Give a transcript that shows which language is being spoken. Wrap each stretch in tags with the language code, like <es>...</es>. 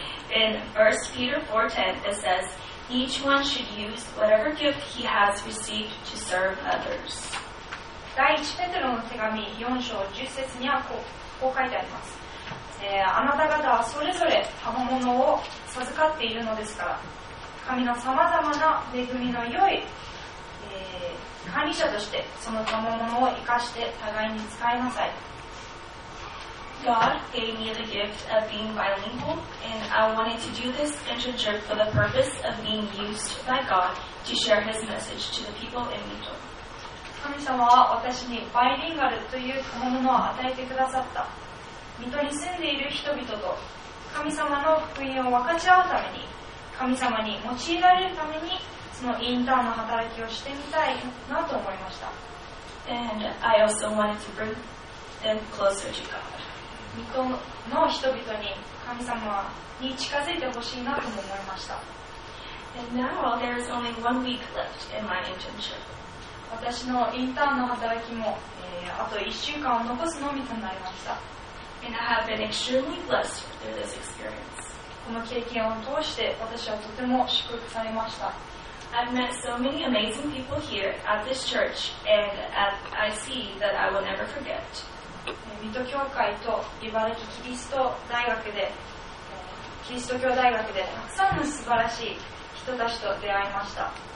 <en>In First Peter 4:10, it says, "Each one should use whatever gift he has received to serve others."</en> <ja>第1ペテロの手紙4章10節にはこう書いてあります。あなた方はそれぞれ賜物を授かっているのですから。神のさまざまな恵みの良い、管理者としてその賜物を生かして互いに使いなさい。</ja> <en>God gave me the gift of being bilingual, and I wanted to do this internship for the purpose of being used by God to share His message to the people in Mito.</en> <ja>神様は私にバイリンガルという賜物を与えてくださった。ミトに住んでいる人々と神様の福音を分かち合うために。神様に用いられるためにそのインターンの働きをしてみたいなと思いました。</ja> <en>And I also wanted to bring them closer to God.</en> <ja>水戸の人々に神様に近づいてほしいなとも思いました。</ja> <en>And now there is only 1 week left in my internship.</en> <ja>私のインターンの働きも、あと1週間を残すのみとなりました。</ja> <en>And I have been extremely blessed through this experience.</en> <ja>この経験を通して私はとても祝福されました。</ja> <en>I've met so many amazing people here at this church, and I see that I will never forget.</en> <ja>水戸教会と茨城キリスト大学で、キリスト教大学でたくさんの素晴らしい人たちと出会いました。</ja>